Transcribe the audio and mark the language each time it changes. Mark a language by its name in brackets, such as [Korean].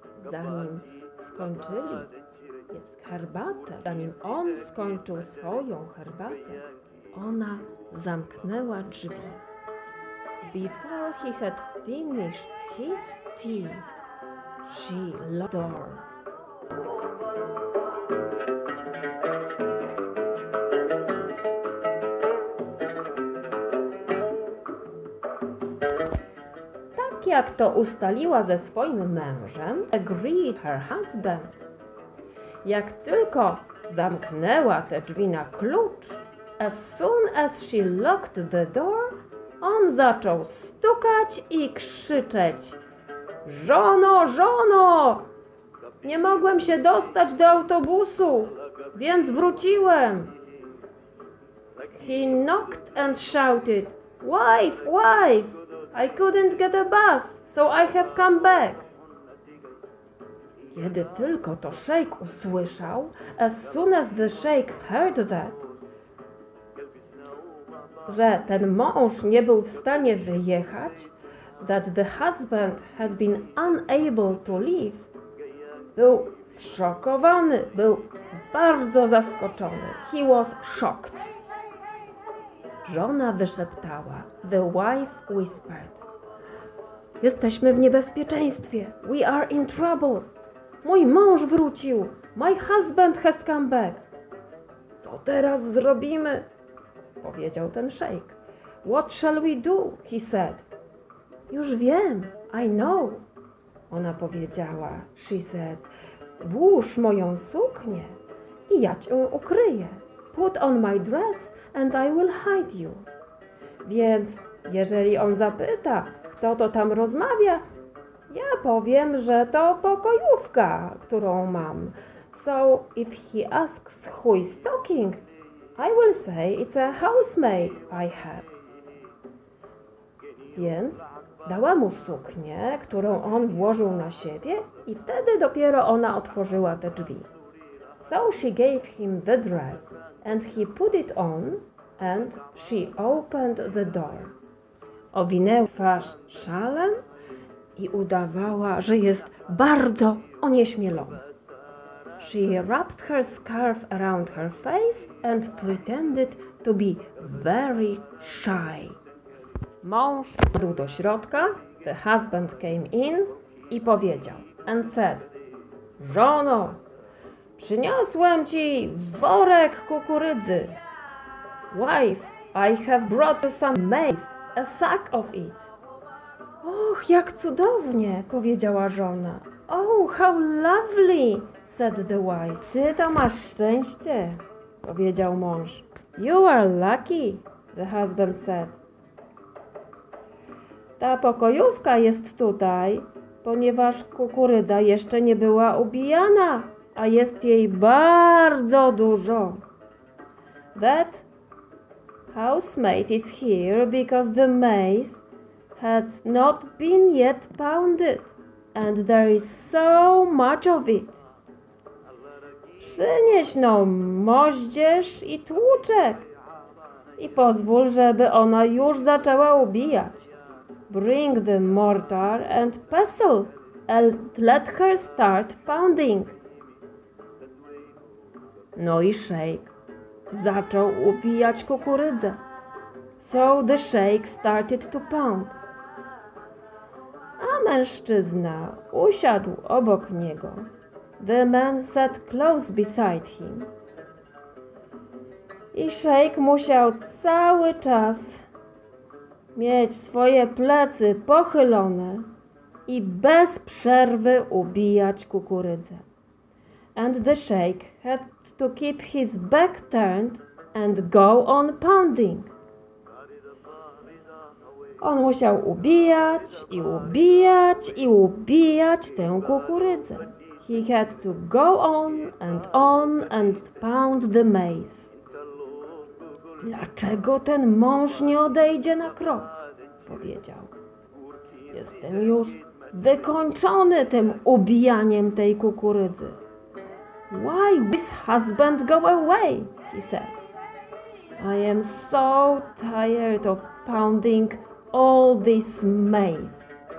[Polish] Zanim skończyli, jest herbatę. Zanim on skończył swoją herbatę, ona zamknęła drzwi. [English] Before he had finished his tea, she locked the door. [Polish] Tak jak to ustaliła ze swoim mężem, [English] agreed her husband. [Polish] Jak tylko zamknęła te drzwi na klucz, [English] as soon as she locked the door, [Polish] on zaczął stukać i krzyczeć: żono, żono! Nie mogłem się dostać do autobusu, więc wróciłem. [English] He knocked and shouted, wife, wife, I couldn't get a bus, so I have come back. [Polish] Kiedy tylko to szejk usłyszał, [English] as soon as the sheikh heard that, [Polish] że ten mąż nie był w stanie wyjechać, [English] that the husband had been unable to leave, [Polish] był zszokowany, był bardzo zaskoczony. [English] He was shocked. [Polish] Żona wyszeptała, [English] the wife whispered, [Polish] jesteśmy w niebezpieczeństwie, [English] we are in trouble. [Polish] Mój mąż wrócił, [English] my husband has come back. [Polish] Co teraz zrobimy? Powiedział ten szejk. [English] What shall we do? He said. [Polish] Już wiem, [English] I know. [Polish] Ona powiedziała, [English] she said. [Polish] Włóż moją suknię i ja cię ukryję. [English] Put on my dress and I will hide you. [Polish] Więc jeżeli on zapyta, kto to tam rozmawia, ja powiem, że to pokojówka, którą mam. [English] So if he asks who is talking, I will say it's a housemaid I have. [Polish] Więc dała mu suknię, którą on włożył na siebie i wtedy dopiero ona otworzyła te drzwi. [English] So she gave him the dress and he put it on and she opened the door. [Polish] Owinęła twarz szalem i udawała, że jest bardzo onieśmielona. [English] She wrapped her scarf around her face and pretended to be very shy. [Polish] Mąż wszedł do środka, [English] the husband came in [Polish] i powiedział, [English] and said, [Polish] żono, przyniosłem ci worek kukurydzy. [English] Wife, I have brought you some maize, a sack of it. [Polish] Och, jak cudownie, powiedziała żona. [English] Oh, how lovely, said the wife. [Polish] Ty to masz szczęście, powiedział mąż. [English] You are lucky, the husband said. [Polish] Ta pokojówka jest tutaj, ponieważ kukurydza jeszcze nie była ubijana, a jest jej bardzo dużo. [English] That housemaid is here because the maize had not been yet pounded and there is so much of it. [Polish] Przynieś no moździerz i tłuczek i pozwól, żeby ona już zaczęła ubijać. [English] Bring the mortar and pestle and let her start pounding. [Polish] No i szejk zaczął ubijać kukurydzę. [English] So the sheikh started to pound. [Polish] A mężczyzna usiadł obok niego. [English] The man sat close beside him. [Polish] I szejk musiał cały czas mieć swoje plecy pochylone i bez przerwy ubijać kukurydzę. [English] And the sheikh had to keep his back turned and go on pounding. [Polish] On musiał ubijać i ubijać i ubijać tę kukurydzę. [English] He had to go on and pound the maize. [Polish] Dlaczego ten mąż nie odejdzie na krok? Powiedział. Jestem już wykończony tym ubijaniem tej kukurydzy. [English] Why this husband go away? He said. I am so tired of pounding all this maize.